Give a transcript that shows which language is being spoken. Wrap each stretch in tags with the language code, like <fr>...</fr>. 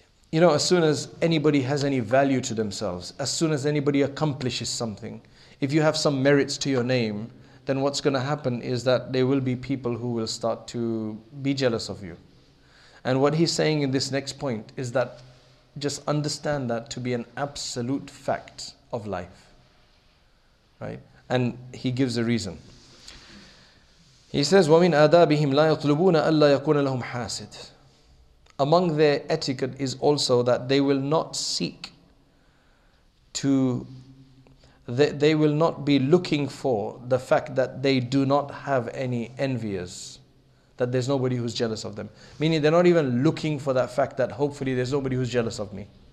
<en>You know, as soon as anybody has any value to themselves, as soon as anybody accomplishes something, if you have some merits to your name, then what's going to happen is that there will be people who will start to be jealous of you. And what he's saying in this next point is that just understand that to be an absolute fact of life. Right? And he gives a reason. He says,</en> <ar>وَمِنْ آدَابِهِمْ لَا يَطْلُبُونَ أَلَّا يَكُونَ لَهُمْ حَاسِدٌ.</ar> <en>Among their etiquette is also that they will not seek to, they will not be looking for the fact that they do not have any enviers, that there's nobody who's jealous of them. Meaning they're not even looking for that fact that hopefully there's nobody who's jealous of me.</en>